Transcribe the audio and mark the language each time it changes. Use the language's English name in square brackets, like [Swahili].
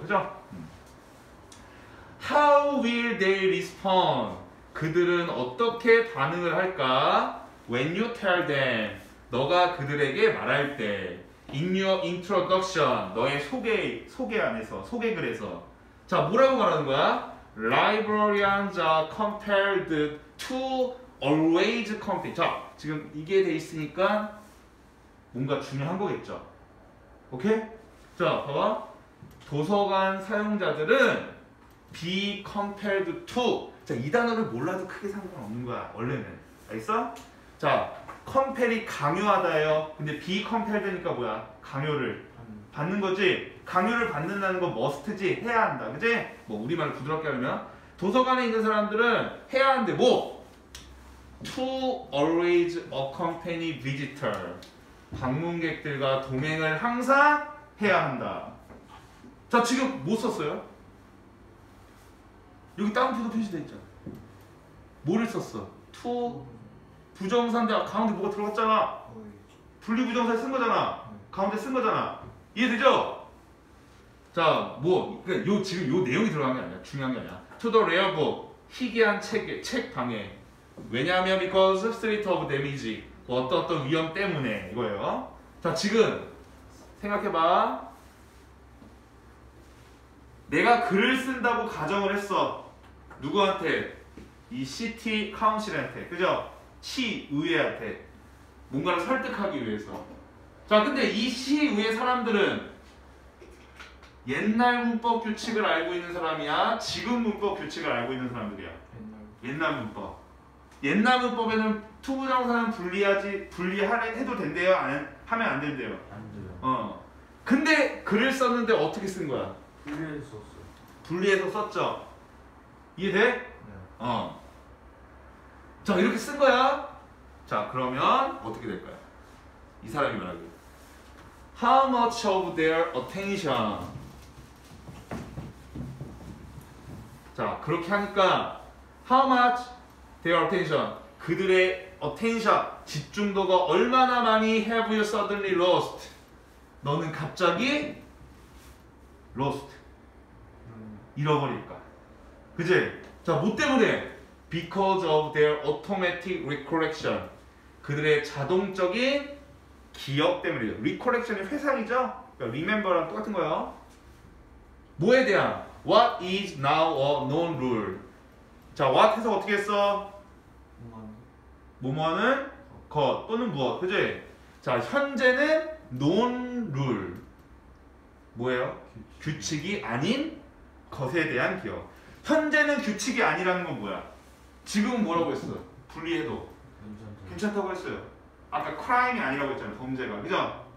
[English] 그죠? How will they respond? [Korean] 그들은 어떻게 반응을 할까? [English] When you tell them. 너가 그들에게 말할 때. In your introduction. [Korean] 너의 소개 안에서, 소개글에서. 자, 뭐라고 말하는 거야? [English] Librarians are compelled to always convince. [Korean] 자, 지금 이게 돼 있으니까 뭔가 중요한 거겠죠. 오케이? 자, 봐봐. 도서관 사용자들은 be compelled to. 자, 이 단어를 몰라도 크게 상관없는 거야, 원래는. 알겠어? 자, compel이 강요하다예요. 근데 be compelled니까 뭐야? 강요를 받는 거지. 강요를 받는다는 건 must지. 해야 한다. 그지? 뭐, 우리말로 부드럽게 하려면. 도서관에 있는 사람들은 해야 하는데 뭐? [English] to always accompany visitor. [Korean] 방문객들과 동행을 항상 해야 한다. 자, 지금 뭐 썼어요? 여기 따옴표도 표시돼 있잖아. 뭐를 썼어? to 부정사인데 가운데 뭐가 들어갔잖아. 분리부정사에 쓴 거잖아. 가운데 쓴 거잖아. 이해되죠? 자, 뭐 그러니까 요 지금 요 내용이 들어간 게 아니야. 중요한 게 아니야. to the rare book 희귀한 책 방해. 왜냐하면 because street of damage 어떤 위험 때문에 이거예요. 자, 지금 생각해봐. 내가 글을 쓴다고 가정을 했어. 누구한테? 이 시티 카운실한테. 그죠? 시의회한테. 뭔가를 설득하기 위해서. 자, 근데 이 시의회 사람들은 옛날 문법 규칙을 알고 있는 사람이야? 지금 문법 규칙을 알고 있는 사람들이야? 옛날 문법. 옛날 문법에는 투부정사는 분리해도 된대요? 하면 안 된대요? 안 돼요. 근데 글을 썼는데 어떻게 쓴 거야? 분리해서 썼죠. 이해돼? 네. 자, 이렇게 쓴 거야. 자, 그러면 어떻게 될까요? 이 사람이 말하기. [English] How much of their attention? 자, 그렇게 하니까 How much their attention? 그들의 attention, 집중도가 얼마나 많이 have you suddenly lost? [Korean] 너는 갑자기 lost 잃어버릴까? 그지? 자, 뭐 때문에? [English] Because of their automatic recollection. [Korean] 그들의 자동적인 기억 때문이죠. Recollection이 회상이죠? 그러니까 remember랑 똑같은 거예요. 뭐에 대한? What is now a known rule? 자, what 해서 어떻게 했어? 뭐뭐는 것 또는 무엇, 그지? 자, 현재는 known rule. 뭐예요? 규칙이 아닌 것에 대한 기억. 현재는 규칙이 아니라는 건 뭐야? 지금은 뭐라고 했어? 분리해도 괜찮다고 했어요. 아까 crime이 아니라고 했잖아, 범죄가. 그죠?